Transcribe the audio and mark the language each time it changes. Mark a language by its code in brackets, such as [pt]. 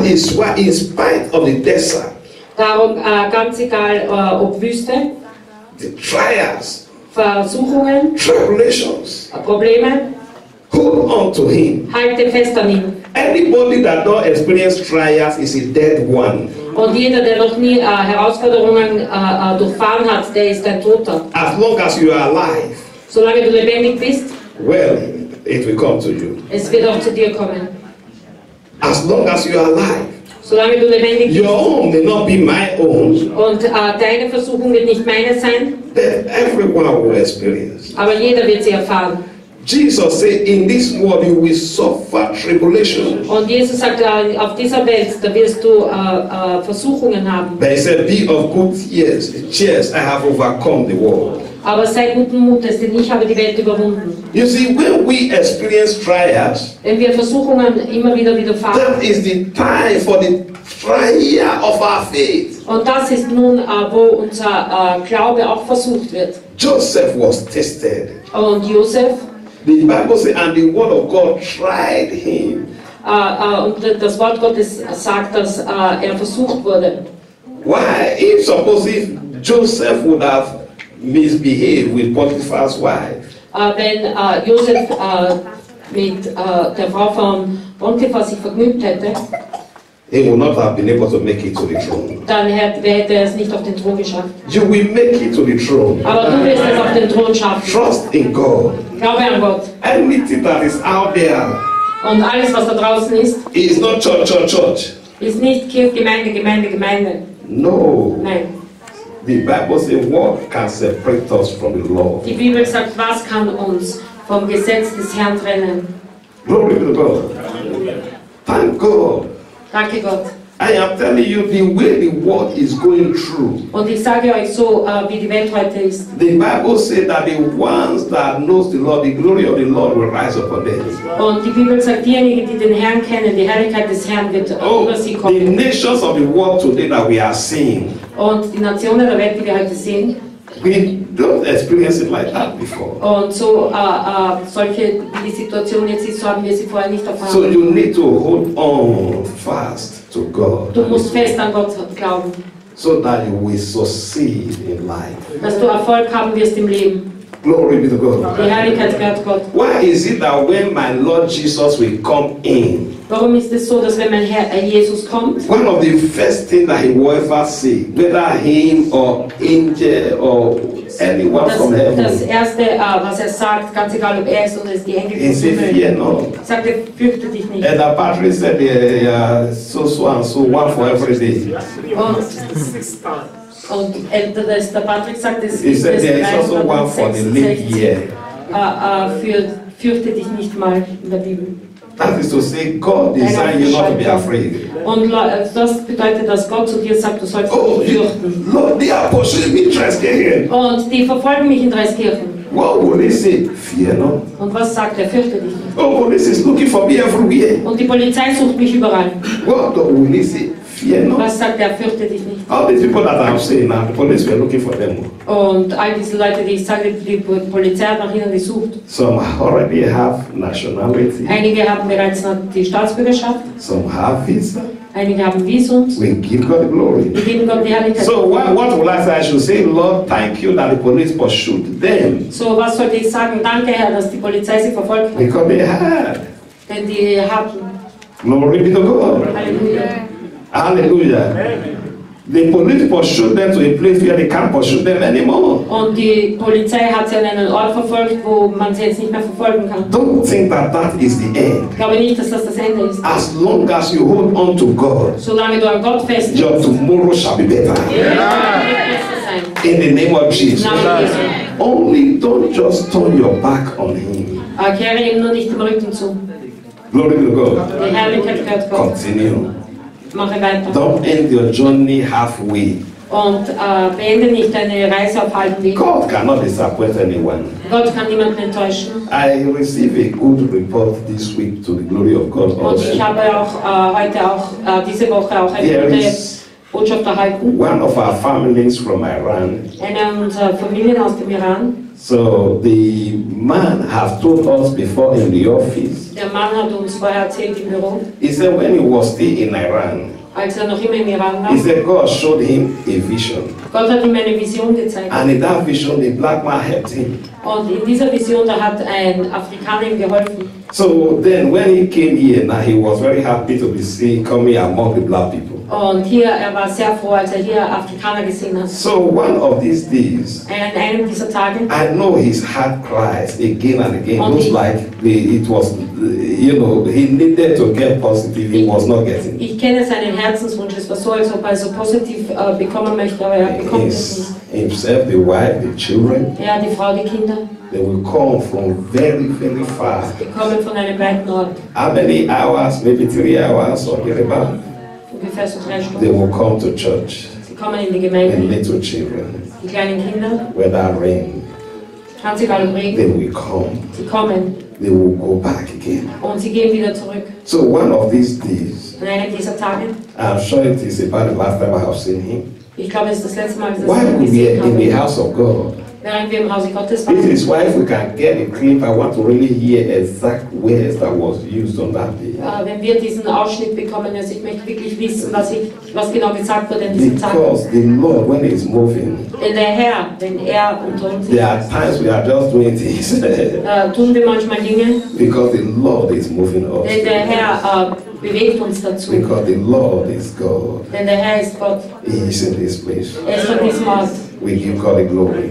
[en] That is why, in spite of the desert. [de] Darum ganz egal, ob Wüste, [en] the trials, [de] Versuchungen, [en] tribulations, [de] Probleme, [en] hold on to him. [de] Halte fest an ihm. [en] Anybody that don't experience trials is a dead one. [de] Und jeder, der noch nie Herausforderungen durchfahren hat, der ist ein Toter. [en] As long as you are alive, [de] solange du lebendig bist, [en] well, it will come to you. [de] Es wird auch zu dir kommen. [en] As long as you are alive. [de] Solange du lebendig bist. [en] Your own may not be my own. [de] Und deine Versuchung wird nicht meine sein. [en] That everyone will experience. [de] Aber jeder wird sie erfahren. [en] Jesus said, in this world you will suffer tribulations. [de] Und Jesus sagt, auf dieser Welt, da wirst du Versuchungen haben. [en] But he said, be of good cheer, I have overcome the world. [de] Aber sei guten Mutes, denn ich habe die Welt überwunden. [en] You see, when we experience trials, [de] wenn wir Versuchungen immer wieder widerfahren, [en] that is the time for the trial of our faith. [de] Und das ist nun, wo unser Glaube auch versucht wird. [en] Joseph was tested. [de] Und Joseph? [en] The Bible says, and the word of God tried him. [de] Und das Wort Gottes sagt, dass er versucht wurde. [en] Why? If suppose if Joseph would have misbehaved with Potiphar's wife. [de] Wenn Josef mit der Frau von Potiphar sich vergnügt hätte, [en] he would not have been able to make it to the throne. [de] Dann hätte er es nicht auf den Thron geschafft. [en] You will make it to the throne. [de] Aber du wirst es auf den Thron schaffen. [en] Trust in God. [de] Glaube an Gott. [en] Anything that is out there. [de] Und alles, was da draußen ist. [en] Is not church. [de] Is nicht Kirche, Gemeinde. [en] No. [de] Nein. [en] The Bible says, what can separate us from the law? [de] Die Bibel sagt, was kann uns vom Gesetz des Herrn trennen? [en] Glory to God. Thank God. [de] Danke Gott. [en] I am telling you the way the world is going through. [de] Und ich sage euch so, wie die Welt heute ist. [en] The Bible says that the ones that knows the Lord, the glory of the Lord will rise upon them. [de] Und die Bibel sagt, diejenigen, die den Herrn kennen, die Herrlichkeit des Herrn wird über sie kommen. [en] The nations of the world today that we are seeing. [de] Und die Nationen der Welt, die wir heute sehen. [en] We don't experience it like that before. [de] Und so solche die Situation jetzt ist, so haben wir sie vorher nicht erfahren. [en] So you need to hold on fast to God. [de] Du musst fest an Gott glauben. [en] So that you will succeed in life. [de] Dass du Erfolg haben wirst im Leben. [en] Glory be to God. [de] Die Herrlichkeit gehört Gott. [en] Why is it that when my Lord Jesus will come in? [de] Warum ist es so, dass wenn mein Herr Jesus kommt? [en] One of the first things that he will ever see, whether him or angel or anyone from heaven. [de] Das erste, was sagt, ganz egal ob es oder die Engel kommen. [en] He said, "Fear not." [de] Sagte, fürchte dich nicht. [en] And the Patrick said, so and so, one for every day. [de] Und der Patrick sagt, es ist der Patrick sagt, es ist also [en] one for the leap year. [de] Fürchte dich nicht mal in der Bibel. [en] That is to say, God designed you not to be afraid. [de] Und das bedeutet, dass Gott zu dir sagt, du sollst nicht fürchten. [en] Oh, Lord, they are pursuing me in Dreiskirchen. [de] Und die verfolgen mich in Dreiskirchen. [en] What will they say? Fear not. [de] Und was sagt er? Fürchte dich nicht. [en] Oh, police is looking for me everywhere. [de] Und die Polizei sucht mich überall. [en] What will they say? Fear not. [de] Was sagt er? Fürchte dich nicht. [en] All these people that I'm saying now, the police were looking for them. [de] Und all diese Leute, die ich sage, die Polizei hat nach ihnen gesucht. [en] Some already have nationality. [de] Einige haben bereits die Staatsbürgerschaft. [en] Some have visa. [de] Einige haben Visums. [en] We give God the glory. [de] Wir geben Gott die Herrlichkeit. [en] So what will I say? I should say, Lord, thank you that the police pursued them. [de] So was sollte ich sagen? Danke, Herr, dass die Polizei sie verfolgt hat. [en] Because they had. [de] Denn die hatten. [en] Glory be to God. Hallelujah. Hallelujah. The police pursued them to a place where they can't pursue them anymore. [de] Und die Polizei hat sie an einen Ort verfolgt, wo man sie jetzt nicht mehr verfolgen kann. [en] Don't think that that is the end. [de] Glaube nicht, dass das das Ende ist. [en] As long as you hold on to God, [de] solange du an Gott fest [en] bist, your tomorrow shall be better. Yeah. In the name of Jesus. Yeah. Only don't just turn your back on him. [de] Kehre ihm nur nicht den Rücken zu. [en] Glory to God. [de] Die Herrlichkeit gehört Gott. [en] Continue. [de] Mache weiter. [en] Don't end your journey halfway. [de] Und beende nicht deine Reise auf halbem Weg. [en] God cannot disappoint anyone. [de] Gott kann niemanden enttäuschen. [en] I received a good report this week to the glory of God. [de] Und ich habe auch heute auch diese Woche auch eine gute Botschaft erhalten. [en] One of our families from Iran. [de] Eine unserer Familien aus dem Iran. [en] So the man has told us before in the office. [de] Der Mann hat uns vorher erzählt im Büro. [en] He said when he was still in Iran. [de] Als noch immer im Iran war. [en] He said God showed him a vision. [de] Gott hat ihm eine Vision gezeigt. [en] And in that vision, the black man helped him. [de] Und in dieser Vision da hat ein Afrikaner ihm geholfen. [en] So then, when he came here, now he was very happy to be seen coming among the black people. [de] Und hier er war sehr froh, als er hier Afrikaner gesehen hat. [en] So one of these days. [de] Und einem dieser Tage. [en] I know his heart cries again and again. Looks like it was, you know, he needed to get positive. He was not getting. [de] Ich kenne seinen Herzenswunsch. Es war so, als ob er so positiv bekommen möchte, aber er bekommt es nicht. [en] Himself, the wife, the children. [de] Ja, die Frau, die Kinder. [en] They will come from very, very far. They come from a very far north. How many hours? Maybe 3 hours or thereabout. [de] Ungefähr so 3 Stunden. [en] They will come to church. [de] Sie kommen in die Gemeinde. [en] And little children. [de] Die kleinen Kinder. [en] Without rain. [de] Ganz egal im Regen. [en] They will come. [de] Sie kommen. [en] They will go back again. [de] Und sie gehen wieder zurück. [en] So one of these days. [de] An einer dieser Tage. [en] I'm sure it is about the last time I have seen him. [de] Ich glaube, es ist das letzte Mal, dass ich ihn gesehen habe. [en] Why would we in the house of God? This is why if we can get a clip, I want to really hear exact words that was used on that day. [de] Wenn wir diesen Ausschnitt bekommen, also ich möchte wirklich wissen, was genau gesagt wurde in diesem Tag. [en] Because the Lord, when He is moving, [de] in der Herr, wenn unter uns ist, [en] there are times we are just doing things. [de] tun wir manchmal Dinge. [en] Because the Lord is moving us. [de] Wenn der Herr bewegt uns dazu. [en] Because the Lord is God. [de] Denn der Herr ist Gott. [en] He is in this place. [de] Er ist an diesem Ort. [en] We give God the glory.